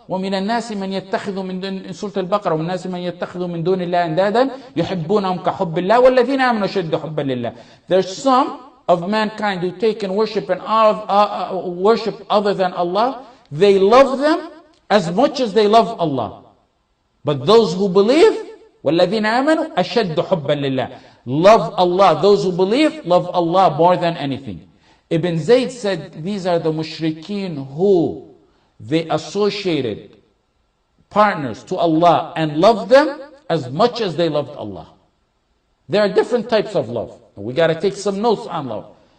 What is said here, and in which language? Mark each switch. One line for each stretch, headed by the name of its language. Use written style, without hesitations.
Arabic: وَمِنَ النَّاسِ مَنْ يَتَّخِذُ مِنْ دُونِ سُورَةِ الْبَقَرَةِ وَالنَّاسِ مَنْ يَتَّخِذُ مِنْ دُونِ اللَّهِ أَنْدَادًا يُحِبُّونَهُمْ كَحُبِّ اللَّهِ وَالَّذِينَ آمَنُوا شَدُّ حُبَّ لِلَّهِ.
English: There's some of mankind who take in worship and worship other than Allah. They love them as much as they love Allah. But those who believe,
Arabic: وَالَّذِينَ آمَنُوا أَشَدُّ حُبَّا لِلَّهِ.
English: Love Allah. Those who believe, love Allah more than anything. Ibn Zayd said, these are the mushrikeen who they associated partners to Allah and loved them as much as they loved Allah. There are different types of love. We got to take some notes on love.